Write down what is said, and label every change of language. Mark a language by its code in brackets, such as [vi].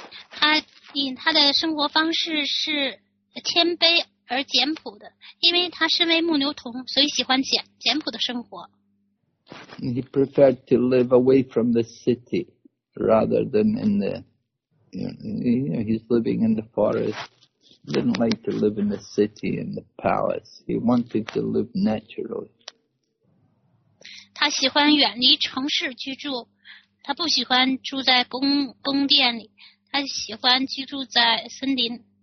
[zh] 他以他的生活方式是谦卑而简朴的，因为他身为牧牛童，所以喜欢简朴的生活。 [en] And he preferred to live away from the city rather than in the. He's living in the forest. He didn't like to live in the city, in the palace. He wanted to live naturally. [zh] 他喜欢远离城市居住，他不喜欢住在宫殿里，他喜欢居住在森林。